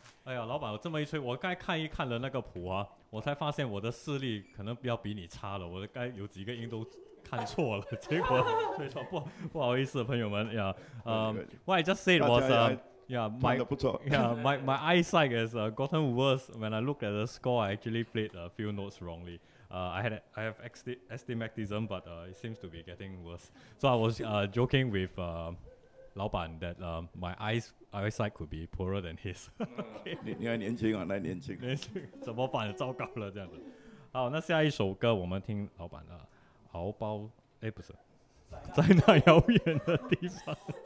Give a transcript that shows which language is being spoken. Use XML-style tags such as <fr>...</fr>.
<zh>哎呀，老板，我这么一吹，我刚才看一看了那个谱啊，我才发现我的视力可能要比你差了，我该有几个音都看错了，结果吹错，不好意思，朋友们呀。</zh> <en>What I just said was my eyesight has gotten worse when I look at the score. I actually played a few notes wrongly. I have astigmatism, but it seems to be getting worse. So I was joking with 老板 that my eyesight could be poorer than his.</en> <zh>你还年轻啊，还年轻。年轻，怎么办？糟糕了，这样子。好，那下一首歌我们听老板的敖包，哎，不是，在那遥远的地方。</zh>